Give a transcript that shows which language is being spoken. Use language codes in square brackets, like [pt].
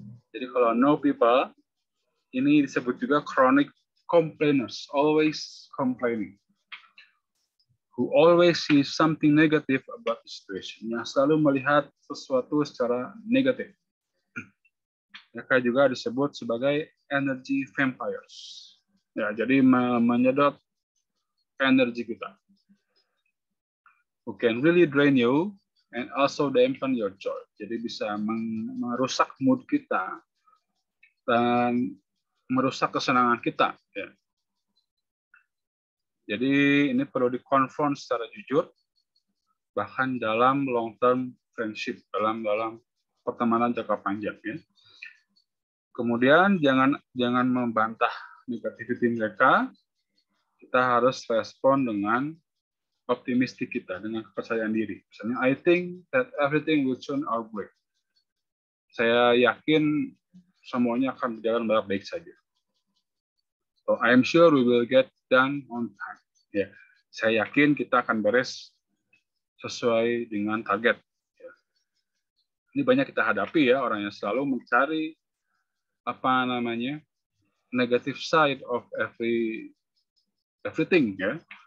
[id] Jadi kalau [en] no people, [id] ini disebut juga [en] chronic complainers, always complaining, who always see something negative about the situation, [id] yang selalu melihat sesuatu secara negatif. Mereka juga disebut sebagai energy vampires. Ya, jadi menyedot energi kita. [en] Who can really drain you and also dampen your joy. [id] Jadi bisa merusak mood kita dan merusak kesenangan kita. Ya. Jadi ini perlu dikonfront secara jujur, bahkan dalam [en] long term friendship, [id] dalam pertemanan jangka panjang. Ya. Kemudian jangan membantah negativity mereka. Kita harus respon dengan optimistik kita, dengan kepercayaan diri. [en] Misalnya, I think that everything will turn out great. [id] Saya yakin semuanya akan berjalan baik saja. [en] So I am sure we will get done on time. Yeah. [id] Saya yakin kita akan beres sesuai dengan target. [en] Yeah. [id] Ini banyak kita hadapi, ya, orang yang selalu mencari apa namanya [en] negative side of everything, [id] ya.